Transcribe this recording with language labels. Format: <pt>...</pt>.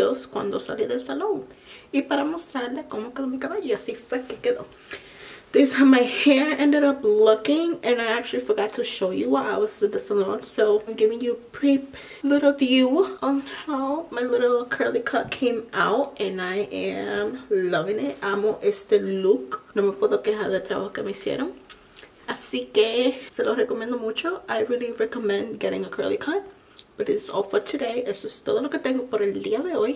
<es>Cuando salí del salón y para mostrarle cómo quedó mi cabello, así fue que quedó.</es> <en>This is how my hair ended up looking, and I actually forgot to show you while I was at the salon, so I'm giving you a brief little view on how my little curly cut came out, and I am loving it.</en> <es>Amo este look, no me puedo quejar del trabajo que me hicieron, así que se lo recomiendo mucho.</es> <en>I really recommend getting a curly cut. But this is all for today.</en> <es>Eso es todo lo que tengo por el día de hoy.</es>